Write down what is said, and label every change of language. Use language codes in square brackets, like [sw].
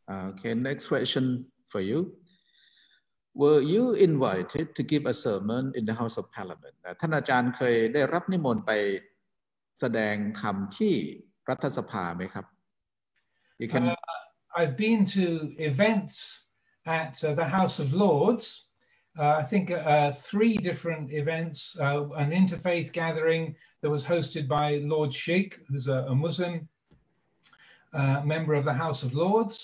[en] Okay, next question for you. Were you invited to give a sermon in the House of Parliament? [th] ท่านอาจารย์เคยได้รับนิมนต์ไปแสดงธรรมที่รัฐสภาไหมครับ [en] You can... I've been to events at the House of Lords. I think 3 different events. An interfaith gathering that was hosted by Lord Sheikh, who's a Muslim member of the House of Lords.